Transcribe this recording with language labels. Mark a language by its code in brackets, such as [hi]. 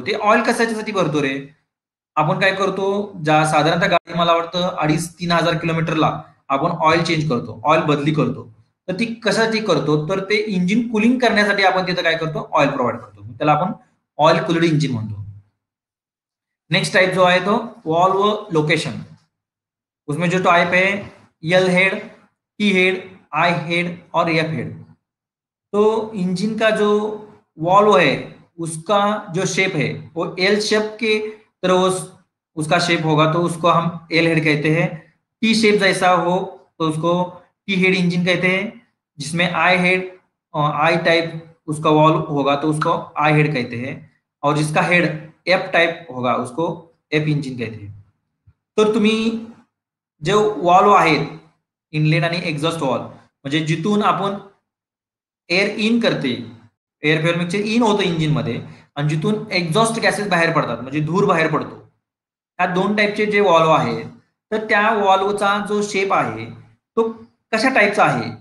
[mr] ते ऑइल कशाच्यासाठी भरतो रे, आपण काय करतो ज्या साधारणतः गाडी मला वाटतं 2500-3000 किलोमीटरला आपण ऑइल चेंज करतो, ऑइल बदली करतो, तर ती कशासाठी करतो, तर ते इंजिन कूलिंग करण्यासाठी आपण तिथं काय करतो ऑइल प्रोव्हाइड करतो, त्याला आपण ऑइल कूल्ड इंजिन म्हणतो. नेक्स्ट टाइप जो आहे तो वॉल्व लोकेशन. [hi] उसमें जो टाइप है यल हेड, टी हेड, आई हेड और एफ हेड. तो इंजिन का जो वॉल्व है उसका जो शेप है वो एल शेप के तरह उसका शेप होगा तो उसको हम एल हेड कहते हैं. टी शेप जैसा हो तो उसको टी हेड इंजिन कहते हैं. जिसमें आई हेड आई टाइप उसका वॉल्व होगा तो उसको आई हेड कहते हैं. और जिसका हेड एफ टाइप होगा उसको एफ इंजिन कहते हैं. [mr] तो तुम्ही जो वॉल्व आहेत इनलेट आणि एक्झॉस्ट वॉल्व, म्हणजे जिथून आपण एअर इन करते, एअर फ्युएल मिक्सचर इन होतं इंजिन मध्ये आणि जिथून एक्झॉस्ट गॅसेस बाहेर पडतात म्हणजे धूर बाहेर पडतो, ह्या दोन टाईपचे जे वॉल्व आहेत, तर त्या वॉल्वचा जो शेप आहे तो कशा टाईपचा आहे.